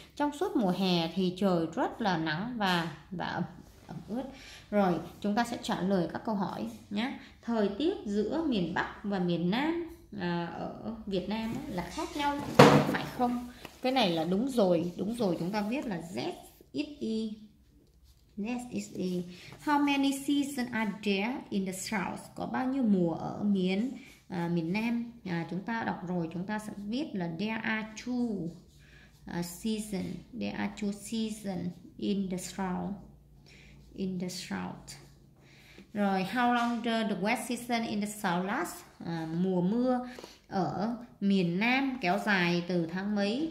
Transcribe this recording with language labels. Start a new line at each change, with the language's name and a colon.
Vietnamese: Trong suốt mùa hè thì trời rất là nắng và ẩm ướt. Rồi, chúng ta sẽ trả lời các câu hỏi nhé. Thời tiết giữa miền Bắc và miền Nam ở Việt Nam là khác nhau phải không? Cái này là đúng rồi, đúng rồi. Chúng ta viết là ZSE.
English: How many seasons are there in the south?
Vietnamese: Có bao nhiêu mùa ở miền Nam, chúng ta đọc rồi, chúng ta sẽ viết là
English: there are two season in the south. Rồi, how long does the wet season in the south last?
Vietnamese: Mùa mưa ở miền Nam kéo dài từ tháng mấy?